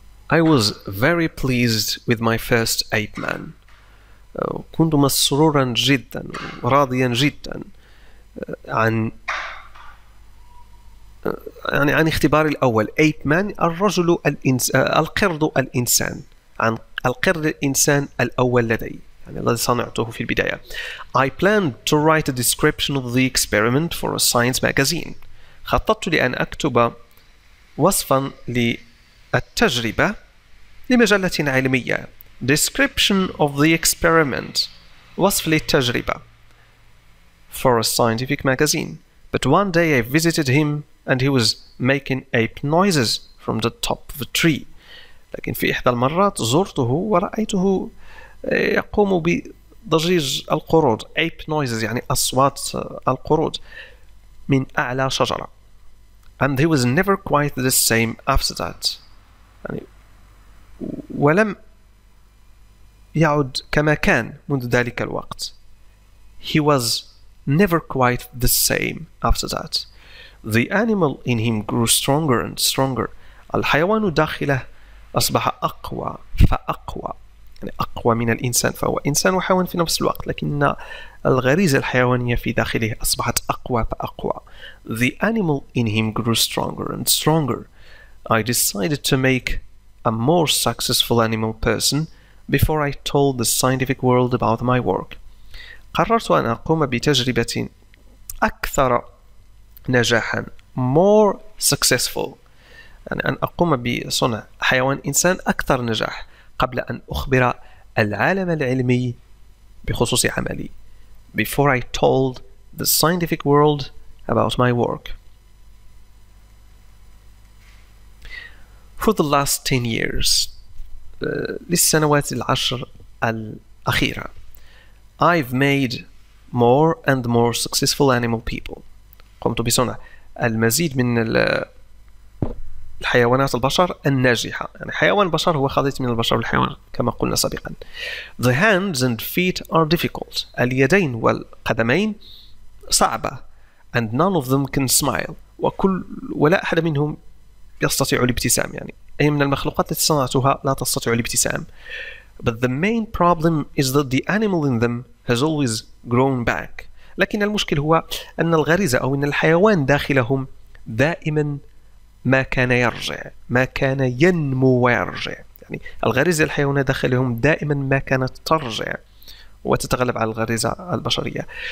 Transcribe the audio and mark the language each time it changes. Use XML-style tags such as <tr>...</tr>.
<en>I was very pleased with my first ape man.</en> <ar>كنت مسرورا جدا وراضيا جدا عن يعني عن اختباري الأول.</ar> <en>Ape man</en> <ar>الرجل القرد الإنسان. عن القرد الإنسان الأول لدي يعني الذي صنعته في البداية.</ar> <en>I planned to write a description of the experiment for a science magazine.</en> <ar>خططت لأن أكتب وصفا للتجربة لمجلة علمية.</ar> <en>Description of the experiment</en> <ar>وصف للتجربة</ar> <en>for a scientific magazine. But one day I visited him and he was making ape noises from the top of a tree.</en> <ar>لكن في إحدى المرات زرته ورأيته يقوم بضجيج القرود</ar> <en>ape noises</en> <ar>يعني أصوات القرود من أعلى شجرة.</ar> <en>And he was never quite the same after that.</en> <ar>يعني ولم يعد كما كان منذ ذلك الوقت.</ar> <en>He was never quite the same after that. The animal in him grew stronger and stronger.</en> <ar>الحيوان داخله أصبح أقوى فأقوى. يعني أقوى من الإنسان. فهو إنسان وحيوان في نفس الوقت. لكن الغريزة الحيوانية في داخله أصبحت أقوى فأقوى.</ar> <en>The animal in him grew stronger and stronger. I decided to make a more successful animal person before I told the scientific world about my work.</en> <ar>قررت أن أقوم بتجربة أكثر نجاحا.</ar> <en>More successful.</en> <ar>يعني أن أقوم بصنع حيوان إنسان أكثر نجاح قبل أن أخبر العالم العلمي بخصوص عملي.</ar> <en>Before I told the scientific world about my work. For the last 10 years,</en> <ar>للسنوات العشر الأخيرة,</ar> <en>I've made more and more successful animal people.</en> <ar>قمت بصنع المزيد من الحيوانات البشر الناجحة. يعني حيوان بشر هو خليط من البشر والحيوان كما قلنا سابقا.</ar> <en>The hands and feet are difficult.</en> <ar>اليدين والقدمين صعبة.</ar> <en>And none of them can smile.</en> <ar>ولا أحد منهم يستطيع الابتسام يعني. أي من المخلوقات التي صنعتها لا تستطيع الابتسام.</ar> <en>But the main problem is that the animal in them has always grown back.</en> <ar>لكن المشكل هو أن الغريزة أو أن الحيوان داخلهم دائما ما كان يرجع. ما كان ينمو ويرجع. يعني الغريزة الحيوانية داخلهم دائما ما كانت ترجع وتتغلب على الغريزة البشرية.</ar>